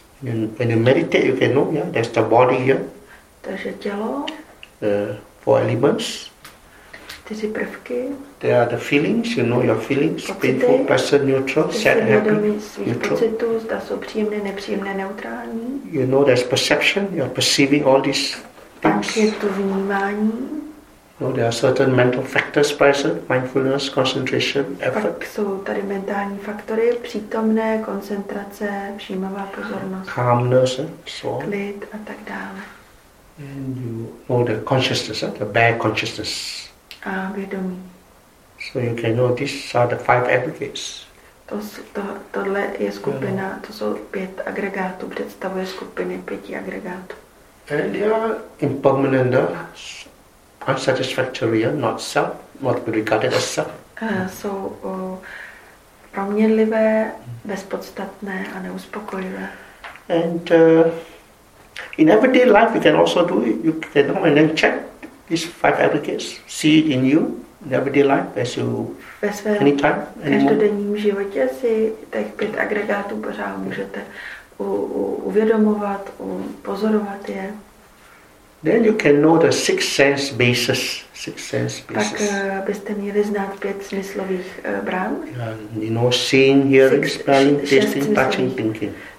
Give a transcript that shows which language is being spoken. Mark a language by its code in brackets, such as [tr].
[en] When you meditate, you can know, yeah, there's the body here. [cs] Takže tělo. [en] Four elements. [cs] Čtyři prvky. [en] There are the feelings, you know your feelings. [cs] Pocity. [en] Painful, pleasant, neutral, sad, happy, neutral. [cs] Pocitů, zda jsou příjemné, nepříjemné, neutrální. [en] You know there's perception, you're perceiving all these things. [cs] Pak je to vnímání. [en] No, there are certain mental factors present, mindfulness, concentration, effort. [cs] Pak jsou tady mentální faktory, přítomné, koncentrace, všímavá pozornost. [en] Calmness, so on. [cs] Klid a tak dále. [en] And you know the consciousness, the bare consciousness. [cs] A vědomí. [en] So you can know these are the five aggregates. [cs] Tohle je skupina, to jsou pět agregátů, představuje skupiny pěti agregátů. [en] And they are impermanent. Unsatisfactory, not self, what we regarded as self. [cs] Jsou proměnlivé, bezpodstatné a neuspokojivé. [en] And in everyday life we can also do it. You can know and then check these five aggregates. See it in you, in everyday life, as you, anytime, anymore. [cs] V každodenním životě si těch pět agregátů pořád můžete uvědomovat, pozorovat je. [en] Then you can know the six sense bases. Six sense bases. [cs] Tak byste měli znát pět smyslových brán. [en] Yeah, you know, seeing, hearing, smelling, tasting, touching, thinking.